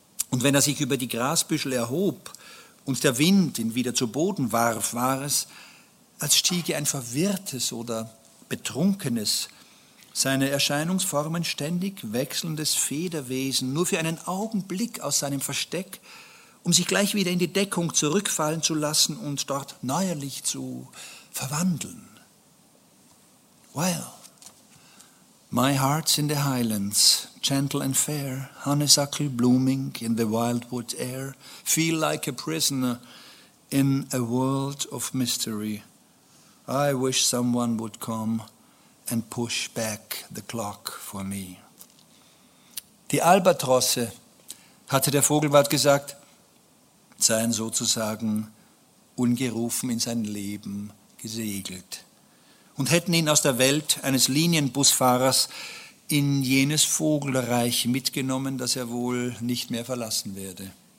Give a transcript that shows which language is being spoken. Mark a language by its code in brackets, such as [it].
[de] Und wenn er sich über die Grasbüschel erhob und der Wind ihn wieder zu Boden warf, war es, als stiege ein verwirrtes oder betrunkenes, seine Erscheinungsformen ständig wechselndes Federwesen nur für einen Augenblick aus seinem Versteck, um sich gleich wieder in die Deckung zurückfallen zu lassen und dort neuerlich zu verwandeln. [en] Well, my heart's in the highlands, gentle and fair, honeysuckle blooming in the wildwood air, feel like a prisoner in a world of mystery. I wish someone would come and push back the clock for me. [de] Die Albatrosse, hatte der Vogelwart gesagt, seien sozusagen ungerufen in sein Leben gesegelt und hätten ihn aus der Welt eines Linienbusfahrers in jenes Vogelreich mitgenommen, das er wohl nicht mehr verlassen werde.